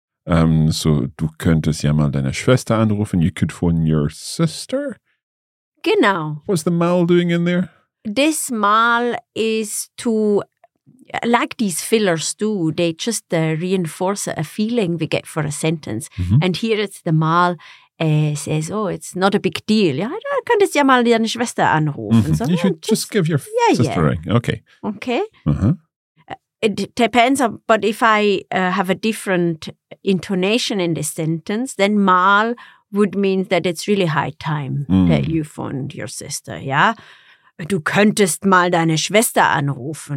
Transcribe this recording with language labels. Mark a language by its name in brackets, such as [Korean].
[German] So, du könntest ja mal deine Schwester anrufen. [English] You could phone your sister? [German] Genau. [English] What's the mal doing in there? This mal is to, like these fillers do, they just reinforce a feeling we get for a sentence. Mm-hmm. And here it's the mal says, oh, it's not a big deal. [German] Ja, du könntest ja mal deine Schwester anrufen. Mm-hmm. [English] So, you should just give your sister a ring. Okay. Okay. Uh-huh. It depends, but if I have a different intonation in this sentence, then mal would mean that it's really high time that you phoned your sister, yeah? [German] Du könntest mal deine Schwester anrufen.